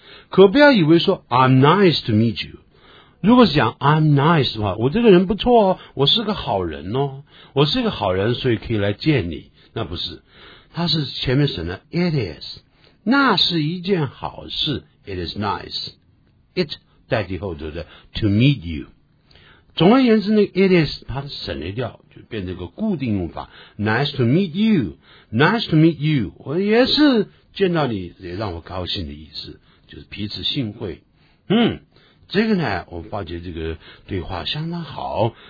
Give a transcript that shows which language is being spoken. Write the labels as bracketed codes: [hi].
[zh] 可不要以为说 I'm nice to meet you, 如果是讲 I'm nice 的话，我这个人不错哦，我是个好人哦，我是个好人，所以可以来见你。那不是，他是前面省了 it is, 那是一件好事。 [en] It is nice, it 代替后头的 to meet you。 [zh] 总而言之，那个 it is 它省略掉，就变成一个固定用法。 Nice to meet you, nice to meet you, 我也是见到你也让我高兴的意思，就是彼此幸会。嗯。这个呢，我发觉这个对话相当好。